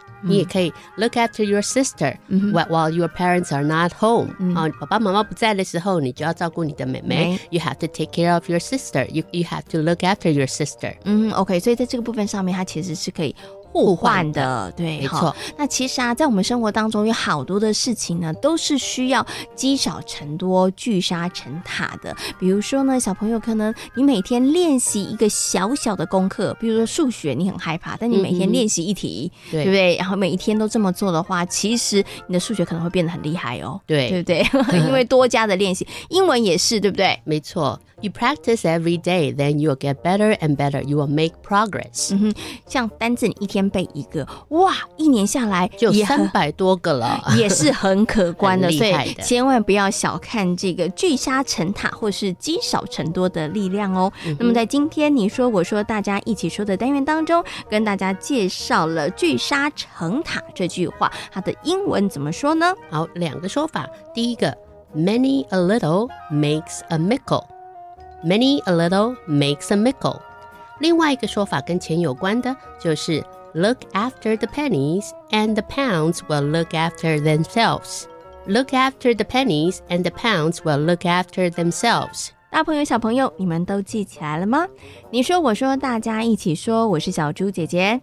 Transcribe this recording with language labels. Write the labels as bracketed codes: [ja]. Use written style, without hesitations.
[zh] 你也可以 [en] look after your sister while your parents are not home。 [zh] 爸爸妈妈不在的时候你就要照顾你的妹妹。 [en] You have to take care of your sister. You have to look after your sister. OK, [zh] 所以在这个部分上面它其实是可以互换的。对，没错。那其实啊，在我们生活当中有好多的事情呢都是需要积少成多聚沙成塔的。比如说呢，小朋友可能你每天练习一个小小的功课，比如说数学你很害怕，但你每天练习一题，对不对？然后每一天都这么做的话，其实你的数学可能会变得很厉害哦。对，对不对？因为多加的练习。英文也是，对不对？没错。 [en] You practice every day then you will get better and better, you will make progress。 [zh] 像单字你一天背一个，哇，一年下来就300多个了，也是很可观的。所以千万不要小看这个聚沙成塔或是积少成多的力量哦。那么在今天你说我说大家一起说的单元当中，跟大家介绍了聚沙成塔这句话它的英文怎么说呢？好，两个说法。第一个 [en] Many a little makes a mickle, Many a little makes a mickle。 [zh] 另外一个说法跟钱有关的就是 [en] Look after the pennies and the pounds will look after themselves. Look after the pennies and the pounds will look after themselves. [zh] 大朋友小朋友，你们都记起来了吗？你说我说大家一起说，我是小猪姐姐。